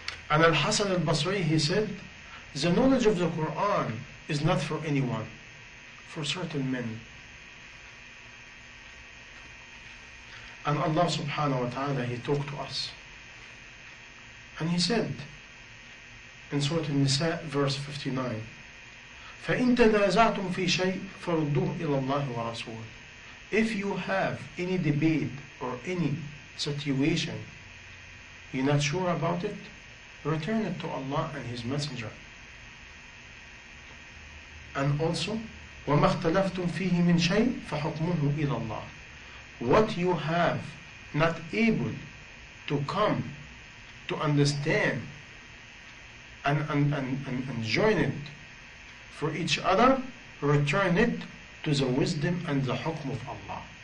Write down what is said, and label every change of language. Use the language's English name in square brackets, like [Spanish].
[English] And Al-Hasan al-Basri, he said, the knowledge of the Quran is not for anyone, for certain men. And Allah subhanahu wa ta'ala, he talked to us. And he said, in Surah An-Nisa, verse 59, [Arabic] فَإِن تَنَازَعْتُمْ فِي شَيْءٍ فَرُدُّوهُ إِلَى اللَّهِ وَرَسُولِ. [English] If you have any debate or any situation, you're not sure about it, return it to Allah and His Messenger. And also, [Arabic] وَمَا اخْتَلَفْتُمْ فِيهِ مِنْ شَيْءٍ فَحُكْمُهُ إِلَى اللَّهِ. [English] What you have not able to come to understand and join it for each other, return it to the wisdom and the hukm of Allah.